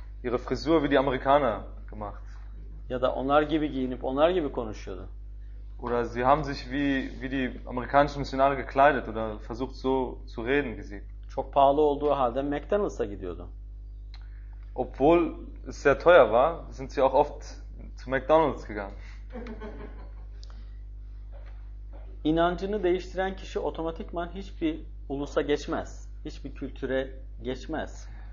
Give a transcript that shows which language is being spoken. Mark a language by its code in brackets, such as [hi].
[de] ihre Frisur wie die Amerikaner gemacht. [tr] Ja da onlar gibi giyinip onlar gibi konuşuyordu. [de] Oder sie haben sich wie die amerikanischen Missionare gekleidet oder versucht so zu reden wie sie. [tr] Çok pahalı olduğu halde McDonald's'a gidiyordu. [de] Obwohl es sehr teuer war, sind sie auch oft zu McDonald's gegangen. [tr] İnancını değiştiren kişi otomatikman hiçbir ulusa geçmez, hiçbir kültüre geçmez.